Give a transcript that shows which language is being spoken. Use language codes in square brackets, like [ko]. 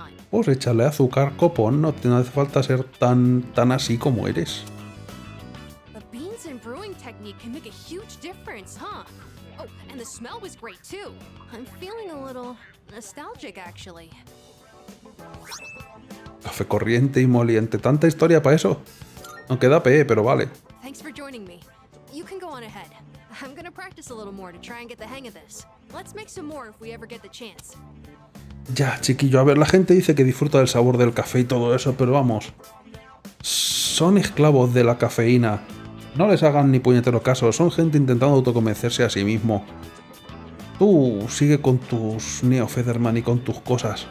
[es] Pues échale azúcar, copón, no te hace falta ser tan así como eres. [en] The beans and brewing technique can make a huge difference, huh? Oh, and the smell was great too. I'm feeling a little nostalgic actually. [es] Café corriente y moliente, tanta historia para eso. Aunque da pe, pero vale. [en] Thanks for joining me. You can go on ahead. I'm gonna practice a little more to try and get the hang of this. Let's make some more if we ever get the chance. [es] Ya, chiquillo, a ver, la gente dice que disfruta del sabor del café y todo eso, pero vamos. Son esclavos de la cafeína. No les hagan ni puñetero caso, son gente intentando autoconvencerse a sí mismo. Tú sigue con tus Neo Federman y con tus cosas.